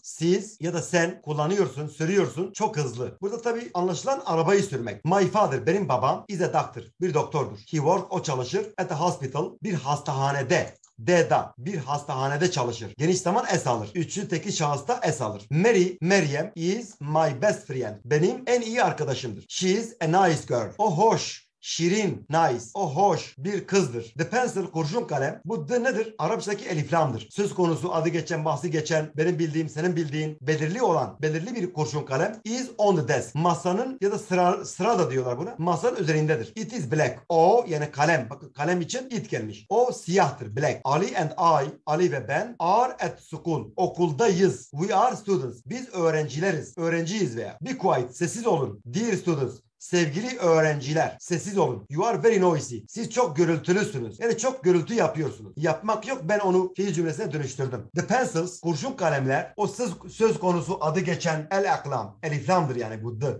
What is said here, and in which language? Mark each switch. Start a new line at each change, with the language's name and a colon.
Turkish: Siz ya da sen kullanıyorsun, sürüyorsun çok hızlı. Burada tabii anlaşılan arabayı sürmek.
English: My father,
Turkish: benim babam,
English: is a doctor,
Turkish: bir doktordur.
English: He works,
Turkish: o çalışır,
English: at a hospital,
Turkish: bir hastahanede. Deda, bir hastahanede çalışır. Geniş zaman es alır. Üçlü teki şahısta es alır.
English: Mary, Meryem, is my best friend.
Turkish: Benim en iyi arkadaşımdır.
English: She is a nice girl.
Turkish: O hoş. Şirin, nice, o hoş bir kızdır. The pencil, kurşun kalem, bu the nedir? Arapçadaki elif lamdır. Söz konusu, adı geçen, bahsi geçen, benim bildiğim, senin bildiğin, belirli olan, belirli bir kurşun kalem
English: is on the desk.
Turkish: Masanın ya da sıra da diyorlar buna, masanın üzerindedir.
English: It is black,
Turkish: o yani kalem, bakın kalem için it gelmiş. O siyahtır, black.
English: Ali and I,
Turkish: Ali ve ben
English: are at school,
Turkish: okuldayız.
English: We are students,
Turkish: biz öğrencileriz, öğrenciyiz veya.
English: Be quiet,
Turkish: sessiz olun.
English: Dear students,
Turkish: sevgili öğrenciler, sessiz olun.
English: You are very noisy.
Turkish: Siz çok gürültülüsünüz. Yani çok gürültü yapıyorsunuz. Yapmak yok, ben onu fiil cümlesine dönüştürdüm. The pencils, kurşun kalemler, o söz konusu adı geçen el aklam, eliflamdır yani bu the.